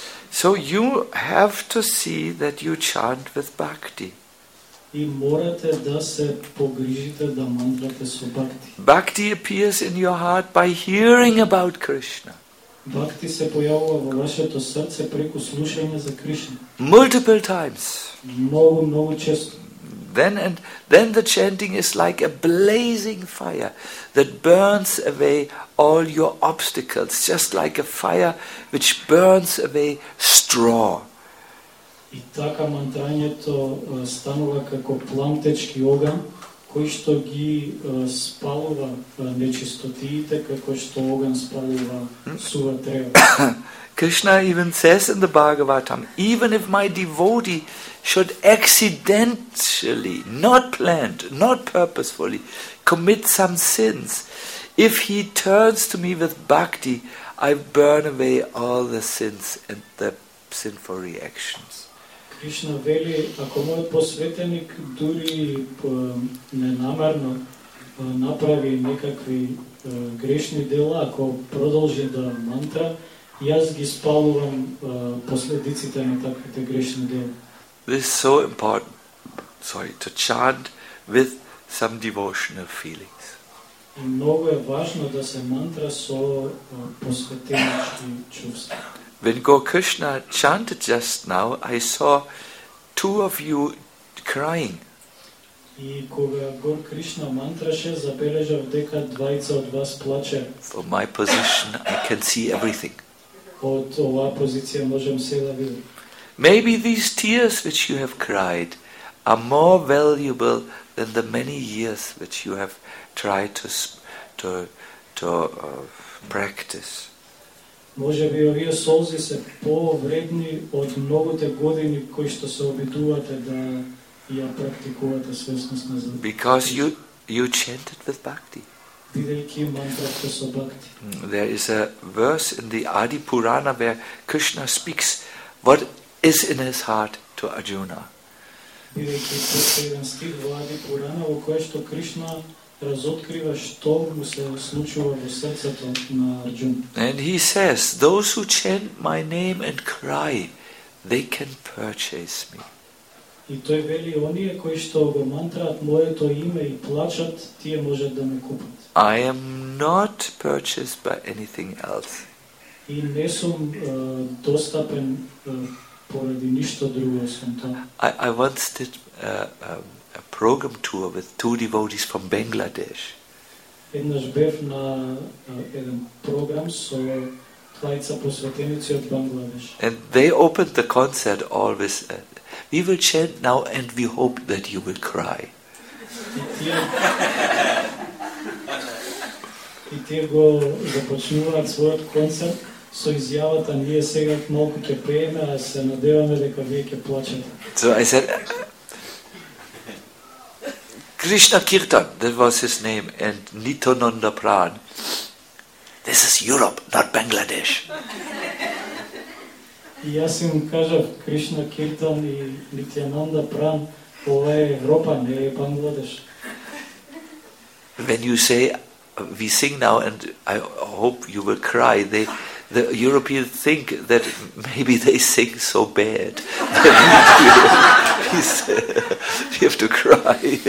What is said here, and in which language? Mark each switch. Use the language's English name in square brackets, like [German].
[English] So you have to see that you chant with bhakti. [Macedonian] И морате да се погрижите да мантрате со бхакти. [English] Bhakti appears in your heart by hearing about Krishna. [Macedonian] Бхакти се појавува во вашето срце преку слушање за Кришна. [English] Multiple times. [Macedonian] Многу често. [English] Then the chanting is like a blazing fire that burns away all your obstacles, just like a fire which burns away straw. [Macedonian] И така мантрањето станува како пламтечки оган кој што ги спалува нечистотиите како што оган спалува сува трева. [English] Krishna even says in the Bhagavatam, even if my devotee should accidentally, not planned, not purposefully, commit some sins, if he turns to me with bhakti, I burn away all the sins and the sinful reactions. [Macedonian] Krishna veli, ako moj posvetenik duri nenamerno napravi nekakvi grešni dela, ako prodolži da mantra, јас ги спалувам последиците на таквите грешни дела. [English] This is so important. Sorry, to chant with some devotional feelings. [Macedonian] Многу е важно да се мантра со посветенички чувства. [English] When Gokrishna chanted just now, I saw two of you crying. [Macedonian] И кога Гокришна мантраше, забележав дека двајца од вас плаче. [English] From my position, I can see everything. [Macedonian] Од оваа позиција можам се да видам. [English] Maybe these tears which you have cried are more valuable than the many years which you have tried to practice. [Macedonian] Може би овие солзи се повредни од многуте години кои што се обидувате да ја практикувате свесноста за. [English] Because you chanted with bhakti. [Macedonian] Бидејќи мантрата со бхакти. [English] There is a verse in the Adi Purana where Krishna speaks what is in his heart to Arjuna. [Macedonian] Бидејќи тоа е еден стих во Adi Purana во кој што Кришна разоткрива што му се случува во срцето на Арджуна. [English] And he says, those who chant my name and cry, they can purchase me. [Macedonian] И тој вели, оние кои што го мантраат моето име и плачат, тие можат да ме купат. [English] I am not purchased by anything else. [Macedonian] И не сум достапен поради ништо друго, освен тоа. [English] I once did a program tour with two devotees from Bangladesh. [Macedonian] Еднаш бев на еден програм со двајца посветеници од Бангладеш. [English] And they opened the concert always, we will chant now and we hope that you will cry. [Macedonian] И тие го започнуваат својот концерт со изјавата, ние сега малку ќе пееме, а се надеваме дека вие ќе плачете. [English] So I said, Krishna Kirtan, that was his name, and Nityananda Pran. This is Europe, not Bangladesh. [Macedonian] Јас им кажав Кришна Киртан и Нитјананда Пран, ова е Европа, не е Бангладеш. [English] When you say, we sing now and I hope you will cry, the Europeans think that maybe they sing so bad you have to cry.